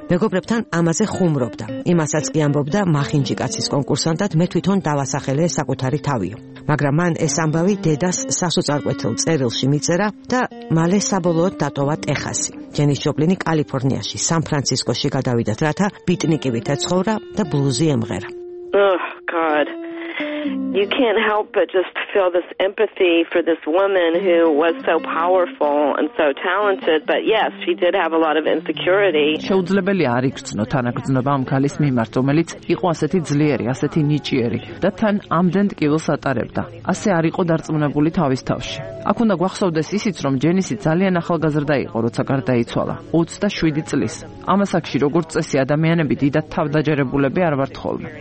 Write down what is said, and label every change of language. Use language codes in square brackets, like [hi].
[ka] მეგობრებთან ამაზე ხუმრობდა. იმასაც კი ამბობდა, მახინჯი კაცის კონკურსანტად მე თვითონ დავასახელე საკუთარი თავიო. მაგრამ მან ეს ამბავი დედას სასოწარკვეთილ წერილში მიწერა და მალე საბოლოოდ დატოვა ტეხასი. ჯენის ჯოპლინი კალიფორნიაში, სან-ფრანცისკოში გადავიდა, რათა ბიტნიკივით ეცხოვრა და ბლუზი ემღერა. [en] Oh God. You can't help but just feel this empathy for this woman who was so powerful and so talented, but yes, she did have a lot of insecurity. [ka] შეუძლებელი არ იგრძნო თანაგრძნობა ამ ქალის მიმართ, რომელიც იყო ასეთი ძლიერი, ასეთი ნიჭიერი და თან ამდენ ტკივილს ატარებდა. ასე არ იყო დარწმუნებული თავის თავში. აქ უნდა გვახსოვდეს ისიც, რომ ჯენისი ძალიან ახალგაზრდა იყო, როცა გარდაიცვალა, 27 წლის. ამ ასაკში, როგორც წესი, ადამიანები დიდად თავდაჯერებულები არ ვართ ხოლმე.